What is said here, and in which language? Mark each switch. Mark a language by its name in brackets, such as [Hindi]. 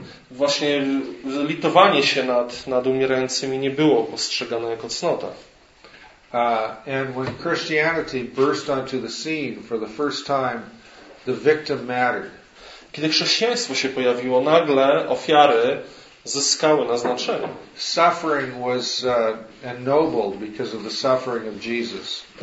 [Polish] Właśnie litowanie się nad umierającymi nie było postrzegane jako cnota. [English] And when Christianity burst onto the scene for the first time, the victim mattered. [Polish] Kiedy chrześcijaństwo się pojawiło, nagle ofiary zyskały na znaczeniu. [English] Suffering was ennobled because of the suffering of Jesus.